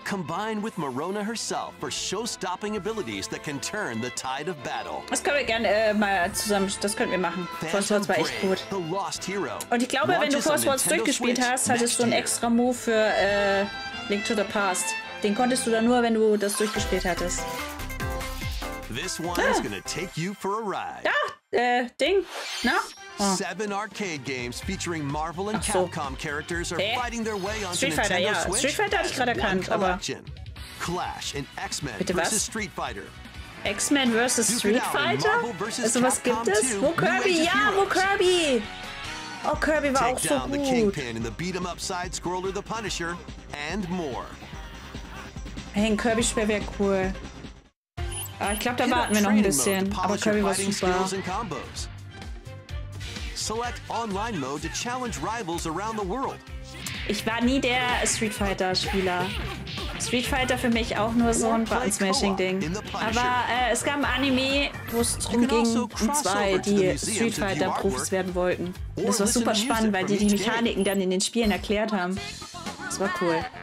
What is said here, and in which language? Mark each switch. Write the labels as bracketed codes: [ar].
[en] Combine with Marona herself for show-stopping abilities that can turn the tide of battle. [de] Das können wir gerne mal zusammen, das könnten wir machen. Force Wars war echt gut. [en] The Lost Hero. [de] Und ich glaube, wenn du Force Wars durchgespielt hast, hattest du einen extra Move für Link to the Past. Den konntest du dann nur, wenn du das durchgespielt hattest. [en] This one's gonna take you for a ride. [de] Da, Ding, na? Oh. [en] Seven arcade games featuring Marvel and Capcom characters are fighting their way onto Street Fighter, Nintendo [de] ja. [en] Switch. [de] Street Fighter hatte ich gerade erkannt, aber [en] Clash in X-Men versus Street Fighter. [de] X-Men versus Street Fighter? Also was gibt es? Wo Kirby? Ja, wo Kirby? Oh, Kirby war [en] Take [de] auch so gut. [en] Take down the Kingpin in the beat 'em up side scroller The Punisher and more. [de] Hey, ein Kirby-Spiel wäre cool. Ah, ich glaube, da warten wir noch ein bisschen. Aber Kirby war super. [en] Select online mode to challenge rivals around the world. [de] Ich war nie der Street Fighter Spieler. Street Fighter für mich auch nur so ein Button Smashing Ding. Aber es gab ein Anime, wo es drum ging, um zwei, die Street Fighter Profis werden wollten. Und das war super spannend, weil die Mechaniken dann in den Spielen erklärt haben. Das war cool.